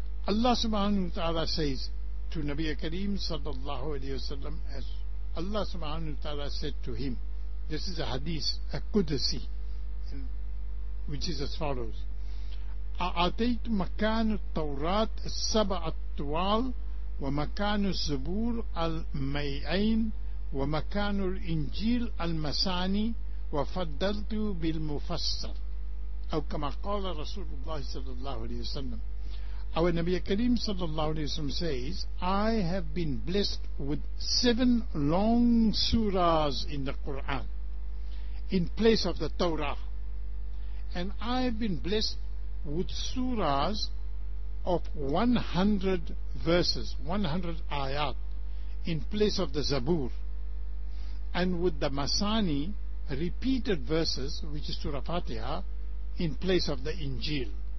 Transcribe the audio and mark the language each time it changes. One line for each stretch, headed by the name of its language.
English: Allah subhanahu wa ta'ala says to Nabi Kareem sallallahu alayhi wa sallam, as Allah subhanahu wa ta'ala said to him, this is a hadith, a Qudsi, which is as follows:
Arabic: أعطيت مكان التوراة السبع الطوال ومكان الزبور المئين ومكان الإنجيل المساني وفضلت بالمفصل. أو كما قال رسول الله صلى الله عليه وسلم.
English: Our Nabi Kareem صلى الله عليه وسلم says, I have been blessed with 7 long surahs in the Quran in place of the Torah. And I have been blessed with surahs of 100 verses, 100 ayat, in place of the Zabur, and with the Masani, repeated verses, which is Surah Fatiha, in place of the Injil.